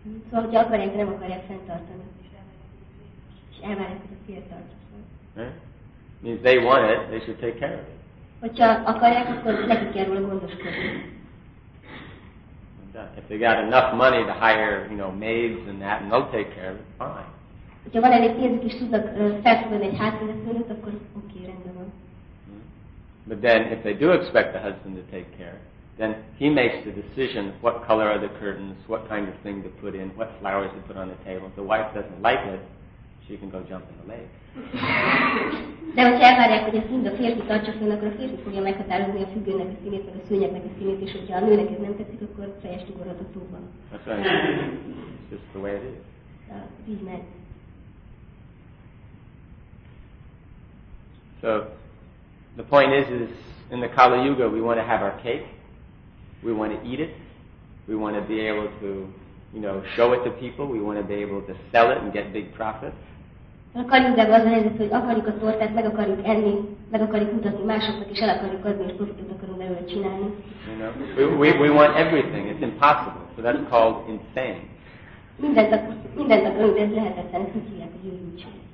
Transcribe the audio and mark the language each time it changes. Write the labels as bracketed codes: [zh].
[hu] Szóval, hogy akarják, de nem akarják fenntartani. És elvárják, hogy a fiat tartsa. [en] If they want it, they should take care of it. [hu] Hogyha akarják, akkor nekik kell róla gondoskodni. [en] If they got enough money to hire, you know, maids and that, and they'll take care of it, fine. [hu] Hogyha van elég pénzük, és tudnak felfogadni egy házvezetőt, akkor oké, rendben van. [en] But then, if they do expect the husband to take care, then he makes the decision what color are the curtains, what kind of thing to put in, what flowers to put on the table. If the wife doesn't like it, she can go jump in the lake. [hu] De hogyha elvárják, hogy a szín a férfi tartsa fönn, akkor a férfi fogja meghatározni a függőnek a színét, meg a szőnyegnek a színét, és hogyha a nőnek ez nem tetszik, akkor fejest ugorhat a tóban. [en] That's right. It's just the way it is. [hu] Így megy. [en] So, the point is in the Kali Yuga we want to have our cake, we want to eat it, we want to be able to, you know, show it to people, we want to be able to sell it and get big profits. [hu] A Kali Yuga az a helyzet, hogy akarjuk a tortát, meg akarjuk enni, meg akarjuk mutatni másoknak, és el akarjuk adni, és profitot akarunk belőle csinálni. [en] You know, we want everything, it's impossible, so that's called insane. [hu] Mindent akarunk, ez lehetetlen, ezt úgy hívják, hogy őrültség.